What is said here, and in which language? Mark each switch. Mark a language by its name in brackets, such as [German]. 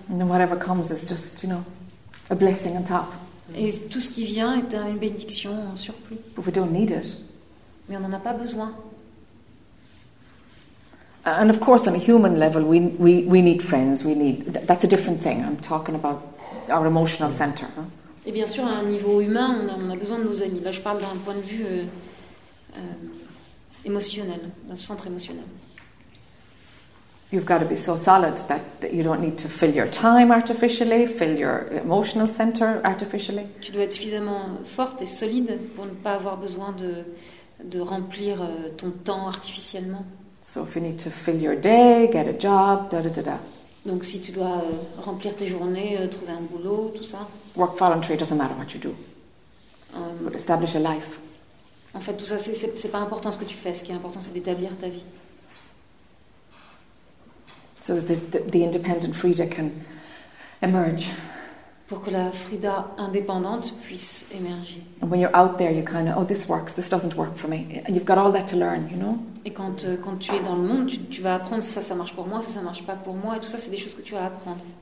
[English] And whatever comes is just, you know, a blessing on top. [French] Et tout ce qui vient est une bénédiction en surplus. [English] But we don't need it. [French] Mais on n'en a pas besoin. [English] And of course, on a human level, we need friends. We need that's a different thing. I'm talking about our emotional center. [French] Et bien sûr, à un niveau humain, on a besoin de nos amis. Là, je parle d'un point de vue émotionnel, d'un centre émotionnel. [English] You've got to be so solid that you don't need to fill your time artificially, fill your emotional center artificially. [French] Tu dois être suffisamment forte et solide pour ne pas avoir besoin de remplir ton temps artificiellement. [English] So if you need to fill your day, get a job, da da da da. [French] Donc si tu dois remplir tes journées, trouver un boulot, tout ça. [English] Work voluntary, it doesn't matter what you do. But establish a life. [French] En fait, tout ça, c'est pas important ce que tu fais. Ce qui est important, c'est d'établir ta vie. [English] So that the independent Frida can emerge. [French] Pour que la Frida indépendante puisse émerger. [English] And when you're out there, you kind of, oh, this works, this doesn't work for me. And you've got all that to learn, you know? [French] Et quand tu es dans le monde, tu vas apprendre ça marche pour moi, ça marche pas pour moi. Et tout ça, c'est des choses que tu vas apprendre.